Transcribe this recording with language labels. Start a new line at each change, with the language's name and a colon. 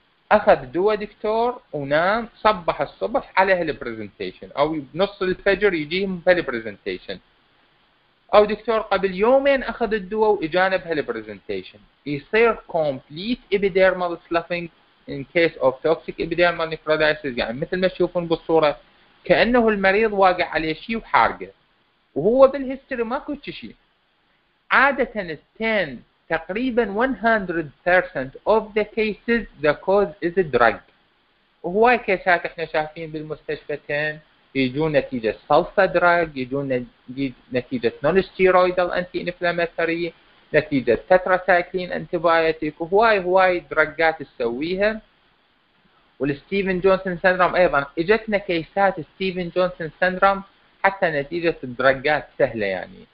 Arabic: اخذ دواء دكتور ونام، صبح الصبح عليه البرزنتيشن، او نص الفجر يجيهم في البرزنتيشن، او دكتور قبل يومين اخذ الدواء واجانا بهالبرزنتيشن، يصير
English: complete epidermal sloughing in case of toxic epidermal necrolysis,
Arabic: يعني مثل ما تشوفون بالصوره كانه المريض واقع عليه شيء وحارقه، وهو بالهيستوري ماكو شيء. عاده التين تقريبا
English: 100% of the cases the cause is a drug.
Arabic: وهواي كيسات احنا شايفين بالمستشفى تين يجون نتيجة سلفا دراج، يجون نتيجة نون ستيرويدال انتي انفلاماتوري، نتيجة تتراسايكلين انتي بايوتيك، وهواي هواي دراجات تسويها. والستيفن جونسون سندروم ايضا اجتنا كيسات ستيفن جونسون سندروم حتى نتيجة الدراجات سهلة يعني.